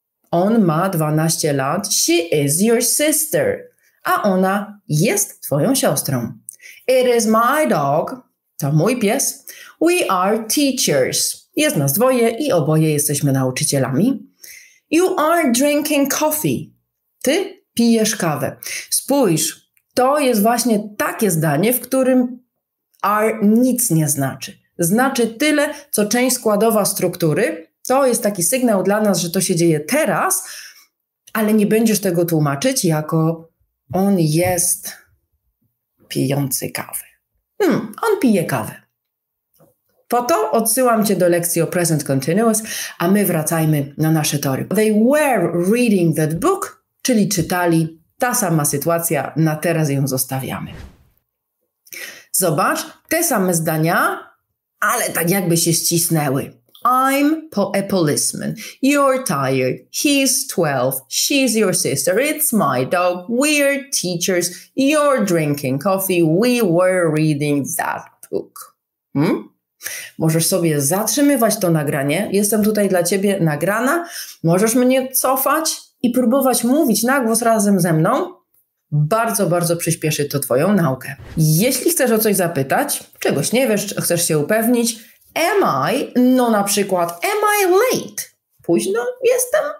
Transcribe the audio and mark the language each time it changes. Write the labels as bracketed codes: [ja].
[pl] On ma 12 lat. [en] She is your sister. [pl] A ona jest twoją siostrą. [en] It is my dog. [pl] To mój pies. [en] We are teachers. [pl] Jest nas dwoje i oboje jesteśmy nauczycielami. [en] You are drinking coffee. [pl] Ty pijesz kawę. Spójrz, to jest właśnie takie zdanie, w którym are nic nie znaczy. Znaczy tyle, co część składowa struktury. To jest taki sygnał dla nas, że to się dzieje teraz, ale nie będziesz tego tłumaczyć jako on jest pijący kawę. On pije kawę. Po to odsyłam Cię do lekcji o present continuous, a my wracajmy na nasze tory. [en] They were reading that book, [pl] czyli czytali. Ta sama sytuacja, na teraz ją zostawiamy. Zobacz, te same zdania, ale tak jakby się ścisnęły. [en] I'm a policeman. You're tired. He's 12. She's your sister. It's my dog. We're teachers. You're drinking coffee. We were reading that book. [pl] Możesz sobie zatrzymywać to nagranie. Jestem tutaj dla Ciebie nagrana. Możesz mnie cofać i próbować mówić na głos razem ze mną. Bardzo, bardzo przyspieszy to Twoją naukę. Jeśli chcesz o coś zapytać, czegoś nie wiesz, chcesz się upewnić, [en] am I, [pl] no na przykład, [en] am I late? [pl] Późno jestem?